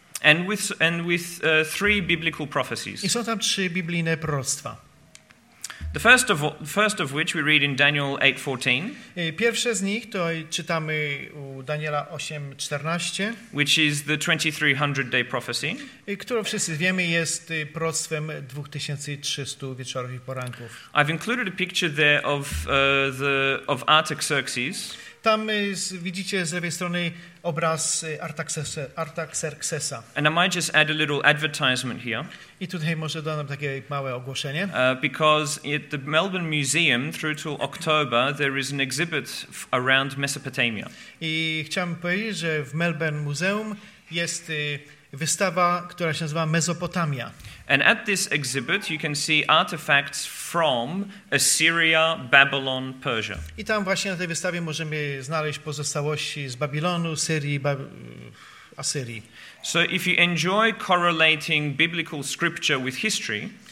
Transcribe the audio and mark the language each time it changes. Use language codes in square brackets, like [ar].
[en] And with three biblical prophecies. [pl] I są tam trzy biblijne proroctwa. [en] The first of which we read in Daniel 8:14. [pl] Pierwsze z nich to czytamy u Daniela 8:14, [en] which is the 2300 day prophecy. [pl] Którą wszyscy wiemy, jest proroctwem 2300 wieczorów i poranków. [en] I've included a picture there of Artaxerxes. [pl] Tam widzicie z lewej strony obraz Artaxerxesa. [en] And I might just add a little advertisement here. [pl] I tutaj może dodam takie małe ogłoszenie. [en] Because at the Melbourne Museum through to October there is an exhibit around Mesopotamia. [pl] I chciałem powiedzieć, że w Melbourne Museum jest wystawa, która się nazywa Mezopotamia. [en] And at this exhibit you can see artifacts from Assyria, Babylon, Persia. [pl] I tam właśnie na tej wystawie możemy znaleźć pozostałości z Babilonu, Syrii, Asyrii. [en] So if you enjoy correlating biblical scripture with history,